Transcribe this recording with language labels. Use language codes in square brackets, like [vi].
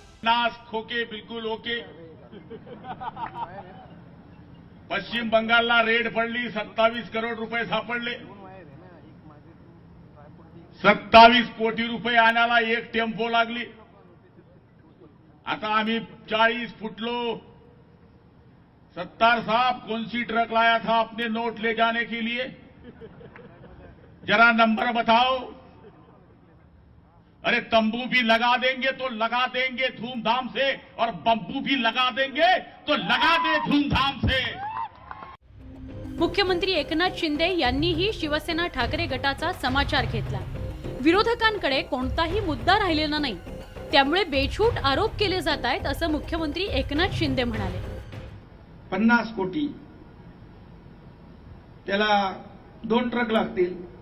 [mr] 50 खोके बिलकुल ओके. पश्चिम बंगालला रेड पडली, 27 करोड रुपये सापडले. 27 कोटी रुपये आणायला एक टेम्पो लागली. आता आम्ही 40 फुटलो. [hi] सत्तार साहब कौनसी ट्रक लाया था अपने नोट ले जाने के लिए, जरा नंबर बताओ. अरे तंबू भी लगा देंगे तो लगा देंगे धूमधाम से, और बंबू भी लगा देंगे तो लगा दे धूमधाम से. [mr] मुख्यमंत्री एकनाथ शिंदे यांनीही शिवसेना ठाकरे गटाचा समाचार घेतला. विरोधकांकडे कोणताही मुद्दा राहिलेला नाही, त्यामुळे बेछूट आरोप केले जात आहेत असं मुख्यमंत्री एकनाथ शिंदे म्हणाले. 50 कोटी, त्याला 2 ट्रक लागतील.